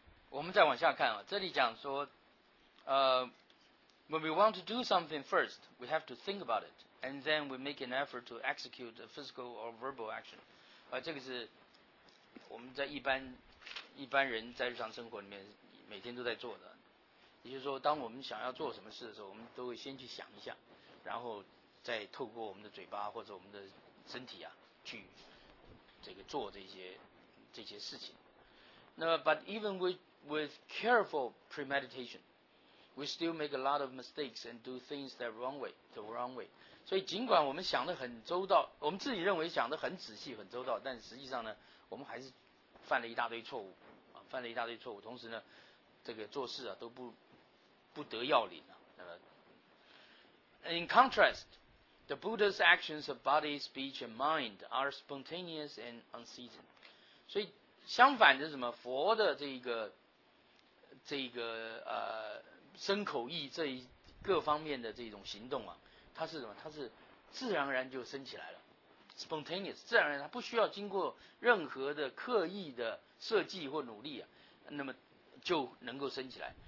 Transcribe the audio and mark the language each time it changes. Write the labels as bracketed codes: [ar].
[zh] 我们再往下看啊，这里讲说 [en] when we want to do something first, we have to think about it, and then we make an effort to execute a physical or verbal action. [zh] 这个是我们在一般人在日常生活里面每天都在做的。也就是说，当我们想要做什么事的时候，我们都会先去想一下，然后再透过我们的嘴巴或者我们的身体啊，去这个做这些事情。 [en] 那么 ，but even with careful premeditation, we still make a lot of mistakes and do things the wrong way. [zh] 所以，尽管我们想得很周到，我们自己认为想得很仔细、很周到，但实际上呢，我们还是犯了一大堆错误啊，犯了一大堆错误。同时呢，这个做事啊都不得要领啊。 [en] In contrast, the Buddha's actions of body, speech, and mind are spontaneous and unceasing. [zh] 所以相反的是什么？佛的这个身口意这一各方面的这种行动啊，它是什么？它是自然而然就生起来了 ，spontaneous， 自然而然，它不需要经过任何的刻意的设计或努力啊，那么就能够生起来。